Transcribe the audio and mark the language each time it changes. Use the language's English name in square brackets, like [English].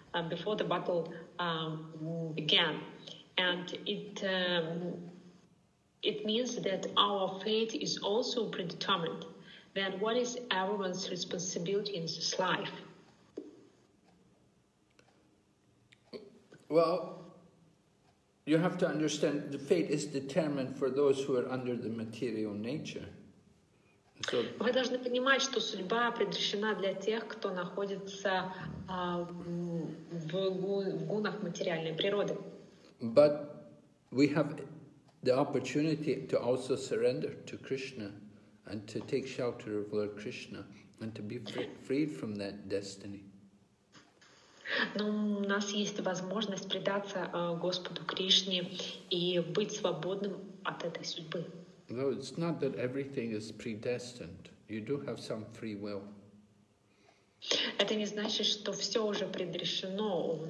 [English] Before the battle began, and it means that our fate is also predetermined. Then, what is everyone's responsibility in this life? Well, you have to understand the fate is determined for those who are under the material nature. [Russian] Вы должны понимать, что судьба предрешена для тех, кто находится в в гунах материальной природы. [English] But we have the opportunity to also surrender to Krishna and to take shelter of Lord Krishna and to be freed from that destiny. [Russian] Но у нас есть возможность предаться Господу Кришне и быть свободным от этой судьбы. [English] No, it's not that everything is predestined. You do have some free will. [Russian] Это не значит, что все уже предрешено.